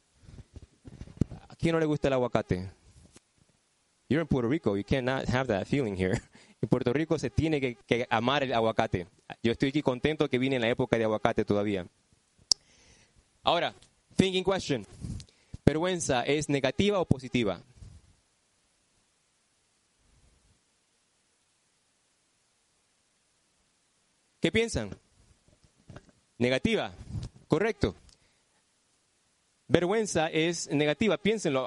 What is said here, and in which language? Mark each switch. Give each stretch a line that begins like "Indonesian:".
Spanish: Vergüenza. ¿A quién no le gusta el aguacate?
English: You're in Puerto Rico, you cannot have that feeling here.
Spanish: En Puerto Rico se tiene que amar el aguacate. Yo estoy aquí contento que vine en la época de aguacate todavía. Ahora,
English: thinking question.
Spanish: ¿Vergüenza es negativa o positiva? ¿Qué piensan? Negativa. Correcto. Vergüenza es negativa. Piénsenlo.